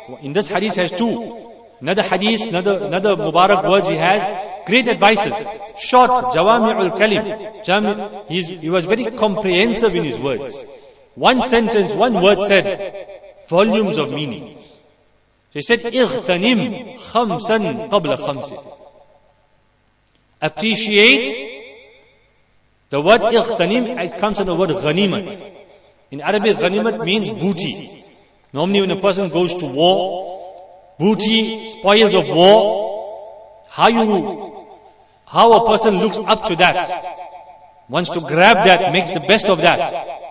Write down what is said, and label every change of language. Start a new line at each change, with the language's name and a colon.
English: In this hadith has two. Another hadith, another Mubarak words he has, great advices. Short, jawami'ul kalim. He was very comprehensive in his words. One sentence, one word said, volumes of meaning.
Arabic: So he said, اغتنم خمسا قبل خمسة.
English: Appreciate the word اغتنم, it comes from the word غنيمت. In Arabic, غنيمت means booty. Normally when a person goes to war, booty, spoils of war, how a person looks up to that, wants to grab that, makes the best of that.